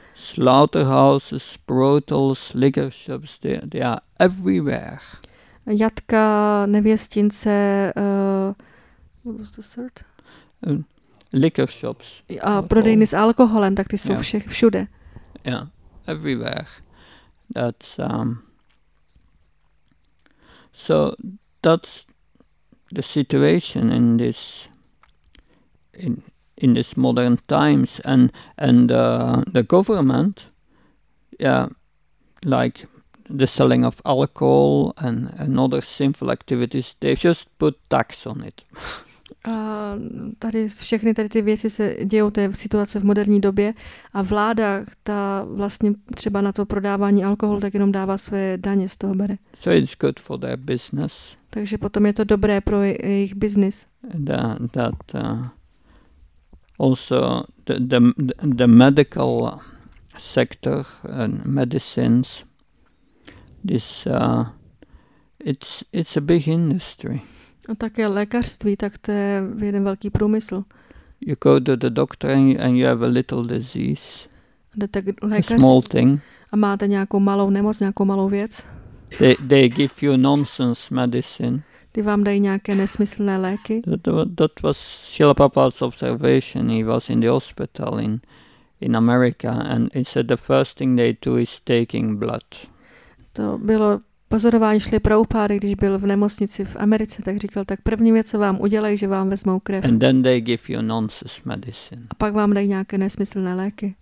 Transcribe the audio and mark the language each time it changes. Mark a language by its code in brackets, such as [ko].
[en] Slaughterhouses, brothels, liquor shops, they are everywhere. [cs] jatka, nevěstince, [en] what was the third? Liquor shops. [cs] A prodejny s alkoholem, tak ty jsou všude. [en] Yeah, everywhere. That's so that's the situation in this in this modern times, and the government, yeah, like the selling of alcohol and other sinful activities, they just put tax on it. [cs] Tady všechny tady ty věci se dějou, to je situace v moderní době a vláda, ta vlastně třeba na to prodávání alkoholu, tak jenom dává své daně z toho bere. [en] So it's good for their business. [cs] Takže potom je to dobré pro jejich business. [en] That also the medical sector and medicines, this it's a big industry. [cs] A také lékařství, tak to je jeden velký průmysl. [en] You go to the doctor and you have a little disease. [cs] Jdete k lékaři, [en] a small thing. [cs] A máte nějakou malou nemoc, nějakou malou věc. [en] They give you nonsense medicine. [cs] Ty vám dají nějaké nesmyslné léky. [en] That was Srila Prabhupada's observation. He was in the hospital in America and he said the first thing they do is taking blood. [cs] To bylo pozorování Šli Prabhupády, když byl v nemocnici v Americe, tak říkal, tak první věc, co vám udělají, že vám vezmou krev. [en] And then they give you nonsense medicine. [cs] A pak vám dají nějaké nesmyslné léky.